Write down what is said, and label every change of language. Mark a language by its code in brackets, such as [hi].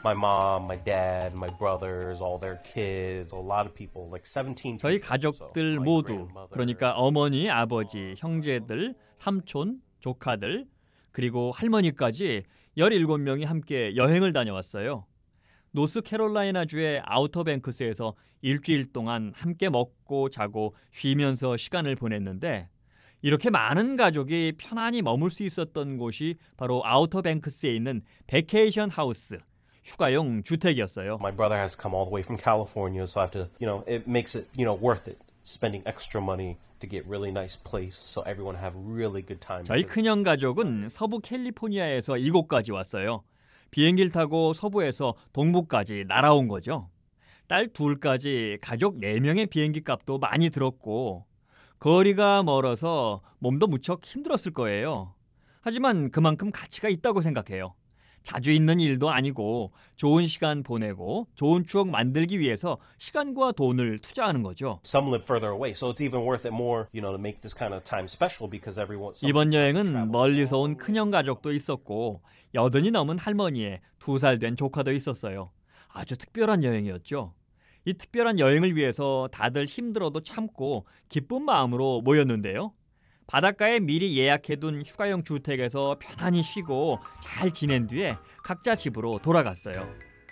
[en] My mom, my dad, my brothers, all their kids, a lot of people, like 17. [ko] 저희 가족들 모두, 그러니까 어머니, 아버지, 형제들, 삼촌, 조카들, 그리고 할머니까지 17명이 함께 여행을 다녀왔어요. 노스캐롤라이나주의 아우터뱅크스에서 일주일 동안 함께 먹고 자고 쉬면서 시간을 보냈는데 이렇게 많은 가족이 편안히 머물 수 있었던 곳이 바로 아우터뱅크스에 있는 베케이션 하우스, 휴가용 주택이었어요. [en] My brother has come all the way from California, so I have to, you know, it makes it, you know, worth it spending extra money to get really nice place so everyone have really good time. [ko] 저희 큰형 가족은 서부 캘리포니아에서 이곳까지 왔어요. 비행기를 타고 서부에서 동부까지 날아온 거죠. 딸 둘까지 가족 4명의 비행기 값도 많이 들었고 거리가 멀어서 몸도 무척 힘들었을 거예요. 하지만 그만큼 가치가 있다고 생각해요. 자주 있는 일도 아니고 좋은 시간 보내고 좋은 추억 만들기 위해서 시간과 돈을 투자하는 거죠. [en] Some live further away, so it's even worth it more, you know, to make this kind of time special because everyone. [ko] 이번 여행은 멀리서 온 큰형 가족도 있었고 여든이 넘은 할머니의 두 살 된 조카도 있었어요. 아주 특별한 여행이었죠. 이 특별한 여행을 위해서 다들 힘들어도 참고 기쁜 마음으로 모였는데요. 바닷가에 미리 예약해둔 휴가용 주택에서 편안히 쉬고 잘 지낸 뒤에 각자 집으로 돌아갔어요.